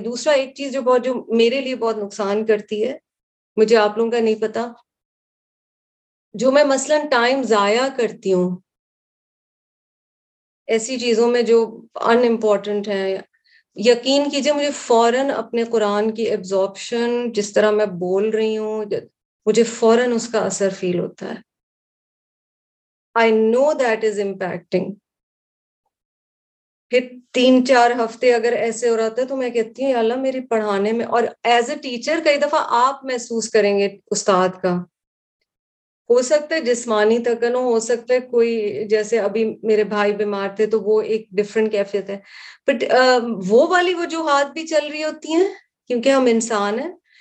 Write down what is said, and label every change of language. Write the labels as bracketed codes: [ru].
[hi] दूसरा एक चीज जो मेरे लिए बहुत नुकसान करती है, मुझे आप लोगों का नहीं पता, जो मैं मसलन टाइम जाया करती हूँ ऐसी चीजों में जो अनइम्पॉर्टेंट है, यकीन कीजिए मुझे फौरन अपने कुरान की एब्जॉर्प्शन, जिस तरह मैं बोल रही हूँ मुझे फौरन उसका असर फील होता है। [en] I know that is impacting. [hi] फिर 3-4 हफ्ते अगर ऐसे हो रहा था तो मैं कहती हूँ अल्लाह मेरे पढ़ाने में, और [en] as a teacher [hi] कई दफा आप महसूस करेंगे उस्ताद का, हो सकता है जिस्मानी थकन हो सकता है कोई, जैसे अभी मेरे भाई बीमार थे तो वो एक डिफरेंट कैफियत है, बट वो वाली वजूहत भी चल रही होती हैं क्योंकि हम इंसान हैं।